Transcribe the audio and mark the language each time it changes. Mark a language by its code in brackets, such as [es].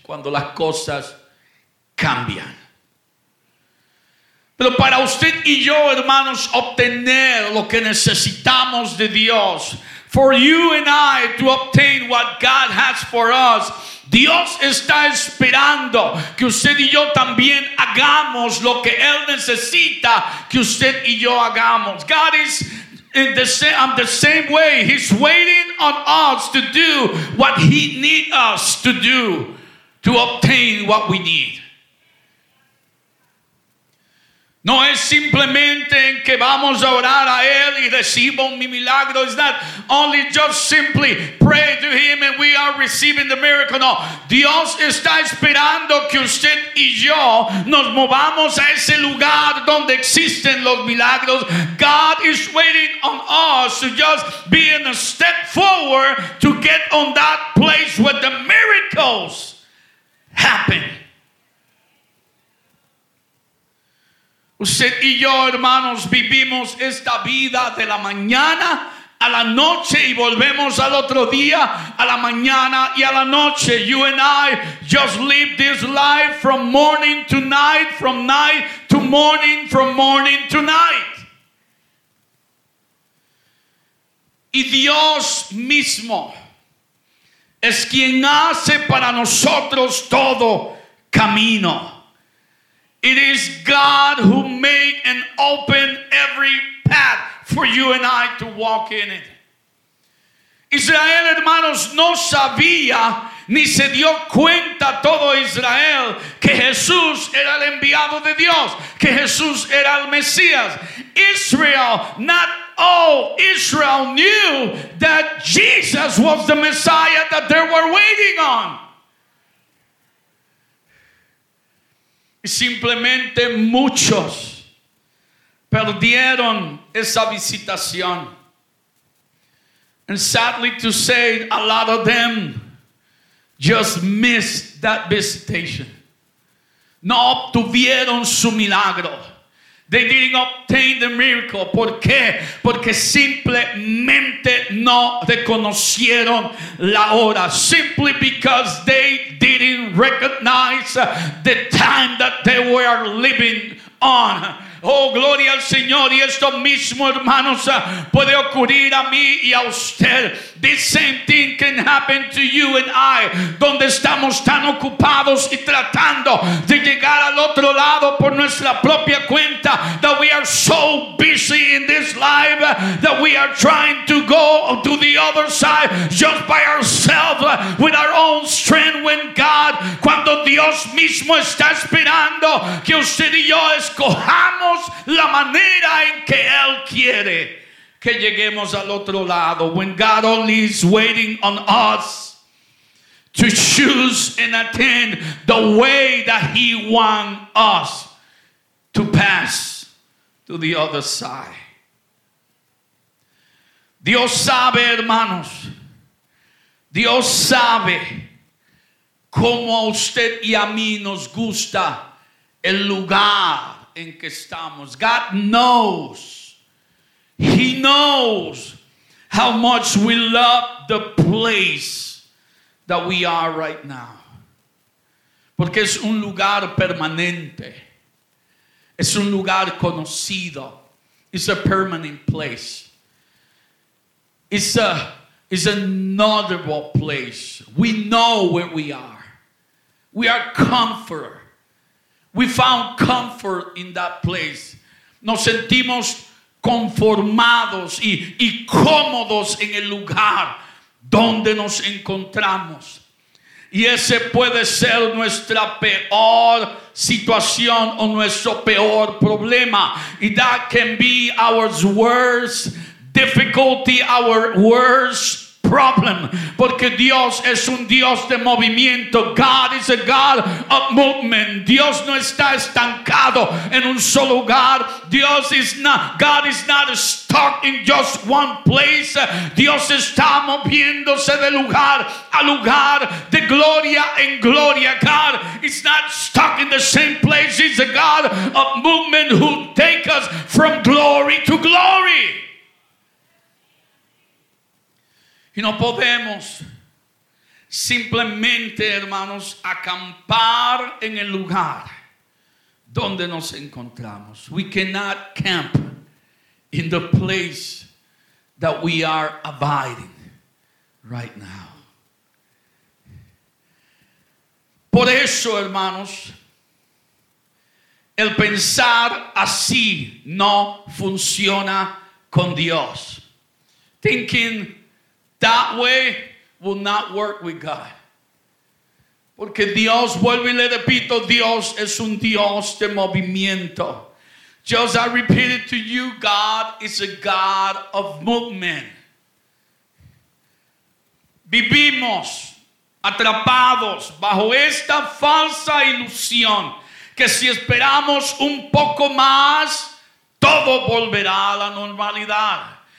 [es] Cuando las cosas cambian. Pero para usted y yo, hermanos, obtener lo que necesitamos de Dios, [en] for you and I to obtain what God has for us, [es] Dios está esperando que usted y yo también hagamos lo que Él necesita que usted y yo hagamos. [en] God is in the same way. He's waiting on us to do what He needs us to do to obtain what we need. [es] No es simplemente en que vamos a orar a Él y recibo mi milagro. [en] It's not only just simply pray to Him and we are receiving the miracle. [es] No, Dios está esperando que usted y yo nos movamos a ese lugar donde existen los milagros. [en] God is waiting on us to just be in a step forward to get on that place where the miracles happen. [es] Usted y yo, hermanos, vivimos esta vida de la mañana a la noche y volvemos al otro día, a la mañana y a la noche. [en] You and I just live this life from morning to night, from night to morning, from morning to night. [es] Y Dios mismo es quien hace para nosotros todo camino. [en] It is God who made and opened every path for you and I to walk in it. [es] Israel, hermanos, no sabía ni se dio cuenta todo Israel que Jesús era el enviado de Dios, que Jesús era el Mesías. [en] Israel, not all Israel, knew that Jesus was the Messiah that they were waiting on. [es] Y simplemente muchos perdieron esa visitación. [en] And sadly to say, a lot of them just missed that visitation. [es] No obtuvieron su milagro. [en] They didn't obtain the miracle. [es] ¿Por qué? Porque simplemente no reconocieron la hora. [en] Simply because they didn't recognize the time that they were living on. [es] Oh, gloria al Señor. Y esto mismo, hermanos, puede ocurrir a mí y a usted. [en] This same thing can happen to you and I. [es] Donde estamos tan ocupados y tratando de llegar al otro lado por nuestra propia cuenta, [en] that we are so busy in this life that we are trying to go to the other side just by ourselves, with our own strength, when God, [es] cuando Dios mismo está esperando que usted y yo escojamos la manera en que Él quiere que lleguemos al otro lado. [en] When God only is waiting on us to choose and attend the way that He wants us to pass to the other side. [es] Dios sabe, hermanos. Dios sabe cómo a usted y a mí nos gusta el lugar en que estamos. [en] God knows. He knows how much we love the place that we are right now. [es] Porque es un lugar permanente. Es un lugar conocido. [en] It's a permanent place. It's a notable place. We know where we are. We are comfort. We found comfort in that place. [es] Nos sentimos conformados y cómodos en el lugar donde nos encontramos. Y ese puede ser nuestra peor situación o nuestro peor problema. [en] Y that can be our worst difficulty, our worst problem. [es] Porque Dios es un Dios de movimiento. [en] God is a God of movement. [es] Dios no está estancado en un solo lugar. [en] Dios is not, God is not stuck in just one place. [es] Dios está moviéndose de lugar a lugar, de gloria en gloria. [en] God is not stuck in the same place. He's a God of movement who takes us from glory to glory. [es] Y no podemos simplemente, hermanos, acampar en el lugar donde nos encontramos. [en] We cannot camp in the place that we are abiding right now. [es] Por eso, hermanos, el pensar así no funciona con Dios. [en] Thinking that way will not work with God. [es] Porque Dios, vuelvo y le repito, Dios es un Dios de movimiento. [en] Just I repeat it to you, God is a God of movement. [es] Vivimos atrapados bajo esta falsa ilusión que si esperamos un poco más, todo volverá a la normalidad.